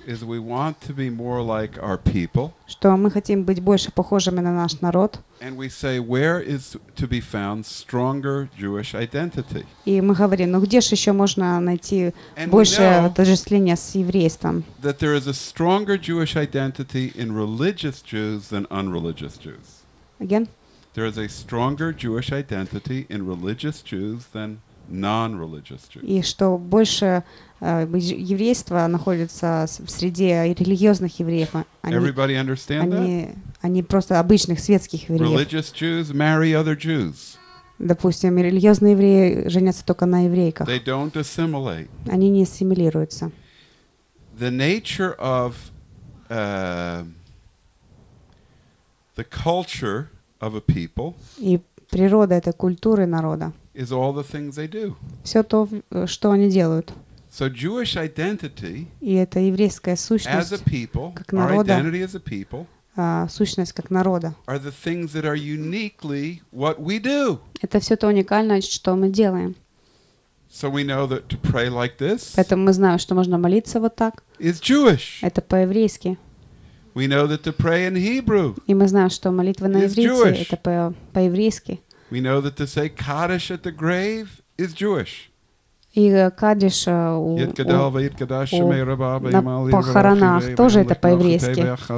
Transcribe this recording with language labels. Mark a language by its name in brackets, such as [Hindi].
[English] Is we want to be more like our people. [Russian] Что мы хотим быть больше похожими на наш народ. [English] And we say, where is to be found stronger Jewish identity? [Russian] И мы говорим, ну где же еще можно найти большее отождествление с еврейством? [English] That there is a stronger Jewish identity in religious Jews than unreligious Jews. Again. There is a stronger Jewish identity in religious Jews than non-religious Jews. [Russian] И что больше еврейство находится в среде религиозных евреев. [English] Everybody understand that? [Russian] Они просто обычных светских евреев. [English] Religious Jews marry other Jews. [Russian] Допустим, религиозные евреи женятся только на еврейках. [English] They don't assimilate. [Russian] Они не ассимилируются. [English] The nature of the culture of a people. [Russian] И природа этой культуры народа. [English] Is all the things they do. [Russian] Все то, что они делают. [English] So Jewish identity. [Russian] И это еврейская сущность. [English] As a people, [Russian] как народа. [English] Our identity as a people. [Russian] Сущность как народа. [English] Are the things that are uniquely what we do. [Russian] Это все то уникальное, что мы делаем. [English] So we know that to pray like this. [Russian] Поэтому мы знаем, что можно молиться вот так. [English] Is Jewish. [Russian] Это по-еврейски. [English] We know that to pray in Hebrew. [Russian] И мы знаем, что молитва на иврите это по-еврейски. [English] We know that to say Kaddish at the grave is Jewish. [Russian] И Кадиш на похоронах тоже это по-еврейски.